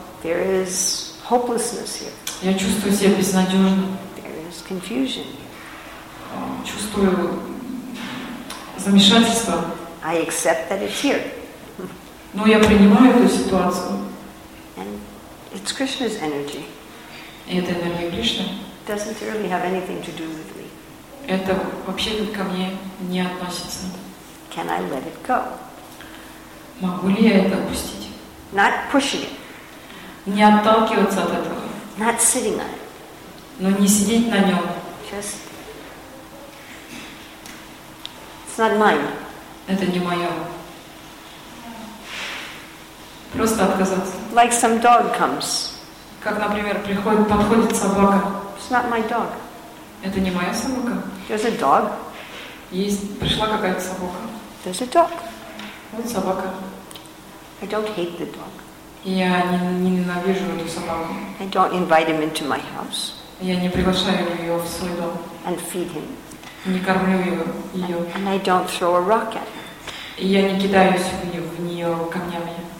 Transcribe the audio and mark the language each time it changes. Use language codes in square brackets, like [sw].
[en] There is hopelessness here. [ru] Я чувствую себя безнадежно. [en] There is confusion. [ru] Чувствую замешательство. [en] I accept that it's here. [ru] Но я принимаю эту ситуацию. [en] And it's Krishna's energy. [ru] И это энергия Кришны. [en] Doesn't really have anything to do with me. [ru] Это вообще ко мне не относится. [en] Can I let it go? [ru] Могу ли я это отпустить? [en] Not pushing it. [ru] Не отталкиваться от этого. [en] Not sitting on it. [ru] Но не сидеть на нем. [en] this? It's not mine. [ru] Это не моё. Просто отказаться. [en] Like some dog comes. [ru] Как, например, подходит собака. [en] It's not my dog. [ru] Это не моя собака. [en] There's a dog. [ru] Пришла какая-то собака. [en] There's a dog. [ru] Вот собака. [en] I don't hate the dog. [ru] Я не ненавижу эту собаку. [en] I don't invite him into my house. [ru] Я не приглашаю ее в свой дом. [en] And feed him. [ru] Не кормлю ее. [en] And I don't throw a rock at him. [ru] Я не кидаюсь в нее камнями.